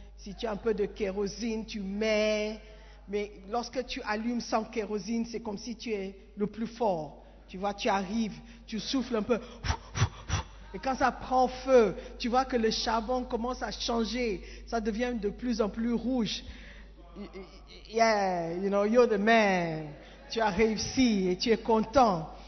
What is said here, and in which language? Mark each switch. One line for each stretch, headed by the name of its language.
French: Si tu as un peu de kérosine, tu mets. Mais lorsque tu allumes sans kérosine, c'est comme si tu es le plus fort. Tu vois, tu arrives, tu souffles un peu. Et quand ça prend feu, tu vois que le charbon commence à changer. Ça devient de plus en plus rouge.
English: Yeah, you know, you're the man.
French: Tu as réussi et tu es content.